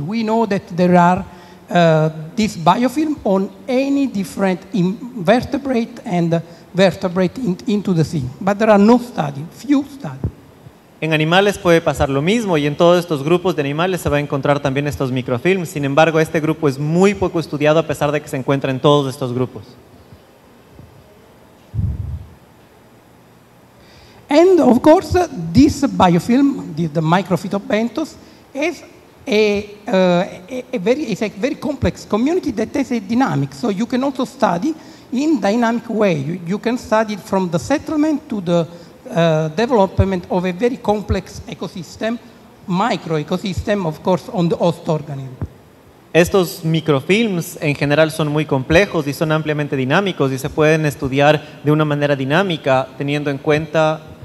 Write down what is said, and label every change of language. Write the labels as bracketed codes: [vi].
[en] We know that there are this biofilm on any different invertebrate and vertebrate into the sea. But there are no studies, few studies. [es] En animales puede pasar lo mismo, y en todos estos grupos de animales se va a encontrar también estos microfilms. Sin embargo, este grupo es muy poco estudiado a pesar de que se encuentra en todos estos grupos. [en] And of course, this biofilm, the microphytobentos, is a very complex community that has a dynamic. So you can also study in dynamic way. You can study from the settlement to the development of a very complex ecosystem, micro ecosystem, of course, on the host organism. [es] Estos microfilms en general son muy complejos y son ampliamente dinámicos y se pueden estudiar de una manera dinámica teniendo en cuenta